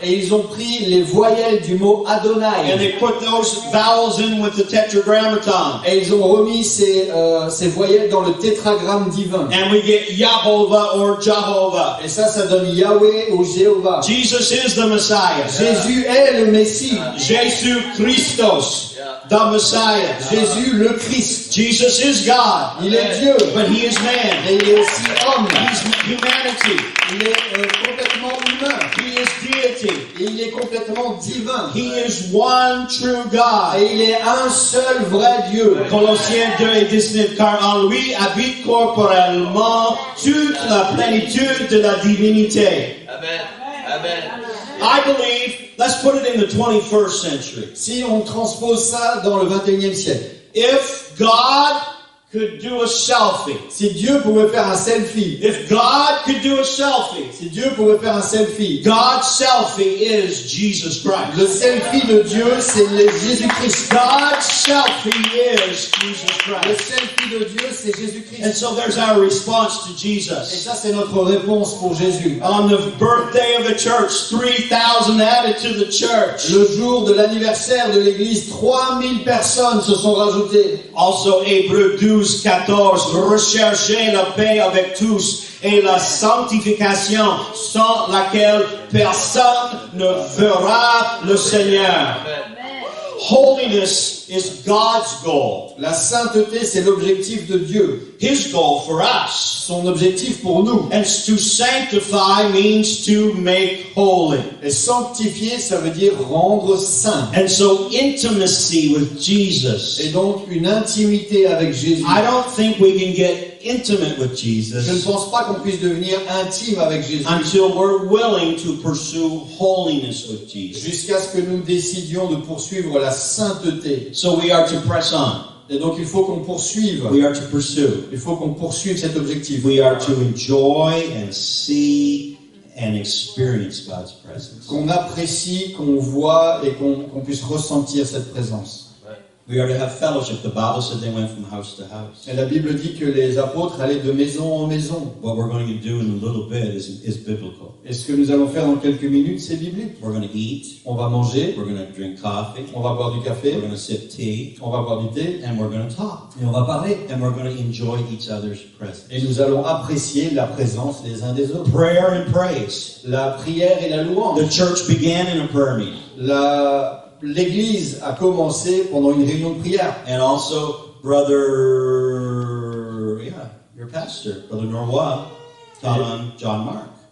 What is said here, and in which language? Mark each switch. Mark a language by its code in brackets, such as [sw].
[fr] Et ils ont pris les voyelles du mot Adonai. [en] And they put those vowels in with the tetragrammaton. [fr] Et ils ont remis ces voyelles dans le tétragramme divin. [en] And we get Yahovah or Jehovah. [fr] Et ça donne Yahweh ou Jéhovah. [en] Jesus is the Messiah. [fr] Jésus est le Messie. [en] Jésus Christos. The Messiah. [fr] Jésus le Christ. [en] Jesus is God. [fr] Il est Dieu. [en] But he is man. [fr] Et il est aussi homme. [en] He's humanity. [fr] Il est complètement humain. [en] He is deity. [fr] Il est complètement divin. [en] He is one true God. [fr] Et il est un seul vrai Dieu. Colossiens 2 et 19, car en lui habite corporellement toute la plénitude de la divinité. Amen. [en] I believe, let's put it in the 21st century. [fr] Si on transpose ça dans le 21e siècle. [en] If God could do a selfie. [fr] Si Dieu pouvait faire un selfie. [en] If God could do a selfie. [fr] Si Dieu pouvait faire un selfie. [en] God's selfie is Jesus Christ. [fr] Le selfie de Dieu, c'est Jésus-Christ. [en] God's selfie is Jesus Christ. [fr] Le selfie de Dieu, c'est Jésus-Christ. [en] And so there's our response to Jesus. [fr] Et ça, c'est notre réponse pour Jésus. [en] On the birthday of the church, 3,000 added to the church. [fr] Le jour de l'anniversaire de l'église, 3,000 personnes se sont rajoutées. Also, Hébreux 12, 14, recherchez la paix avec tous et la sanctification sans laquelle personne ne verra le Seigneur. [en] Holiness is God's goal. [fr] La sainteté, c'est l'objectif de Dieu. [en] His goal for us. [fr] Son objectif pour nous. [en] And to sanctify means to make holy. [fr] Et sanctifier, ça veut dire rendre saint. [en] And so intimacy with Jesus. [fr] Et donc une intimité avec Jésus. [en] I don't think we can get intimate with Jesus. [fr] Je ne pense pas qu'on puisse devenir intime avec Jésus. [en] Until we're willing to pursue holiness with Jesus. [fr] Jusqu'à ce que nous décidions de poursuivre la sainteté. [en] So we are to press on. [fr] Et donc il faut qu'on poursuive. [en] We are to pursue. [fr] Il faut qu'on poursuive cet objectif. [en] We are to enjoy and see and experience God's presence. [fr] Qu'on apprécie, qu'on voit et qu'on puisse ressentir cette présence. [en] We are to have fellowship. The Bible said they went from house to house. [fr] Et la Bible dit que les apôtres allaient de maison en maison. [en] What we're going to do in a little bit is biblical. [fr] Et ce que nous allons faire dans quelques minutes, c'est biblique. [en] We're going to eat. [fr] On va manger. [en] We're going to drink coffee. [fr] On va boire du café. [en] We're going to sip tea. [fr] On va boire du thé. [en] And we're going to talk. [fr] Et on va parler. [en] And we're going to enjoy each other's presence. [fr] Et nous allons apprécier la présence des uns des autres. [en] Prayer and praise. [fr] La prière et la louange. [en] The church began in a prayer meeting. [fr] L'église a commencé pendant une réunion de prière. [en] And also, brother, your pastor, brother Norwood, taught on John Mark.